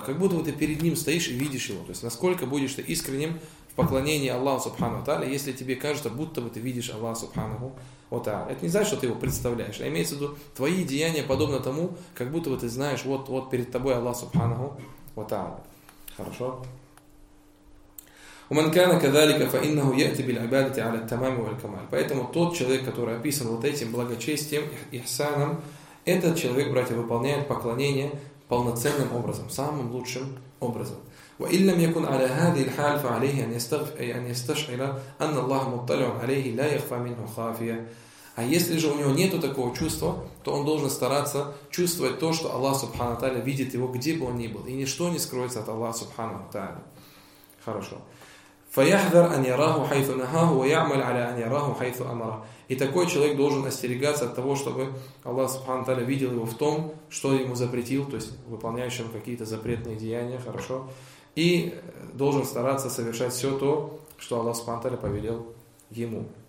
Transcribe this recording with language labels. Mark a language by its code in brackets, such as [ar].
[ru] Как будто бы ты перед ним стоишь и видишь его. То есть насколько будешь ты искренним в поклонении Аллаху субхану тааля, если тебе кажется, будто бы ты видишь Аллаха субханаху ва тааля. Это не значит, что ты его представляешь, а имеется в виду твои деяния подобно тому, как будто бы ты знаешь, вот, вот перед тобой Аллах субханаху ва тааля. Хорошо? [ar] ومن كان كذلك فإنه يأتي بالعبادة على التمام والكمال. [ru] Поэтому тот человек, который описан вот этим благочестием, ихсаном, этот человек, братья, выполняет поклонение полноценным образом, самым лучшим образом. [ar] وإن لم يكن على هذه الحال فعليه أن يستشعر أن الله مطلع عليه لا يخفى منه خافية. [ru] А если же у него нету такого чувства, то он должен стараться чувствовать то, что Аллах Субхану Тааля видит его, где бы он ни был, и ничто не скроется от Аллаха Субхану Тааля. Хорошо. [ar] فَيَحْذَرْ أَنْ يَرَاهُ حَيْثُ نَهَاهُ وَيَعْمَلْ عَلَىٰ أَنْ يَرَاهُ حَيْثُ أَمَرَهُ. [ru] И такой человек должен остерегаться от того, чтобы Аллах Субхану Тааля видел его в том, что ему запретил, то есть выполняющим какие-то запретные деяния, хорошо, и должен стараться совершать все то, что Аллах Субхану Тааля повелел ему.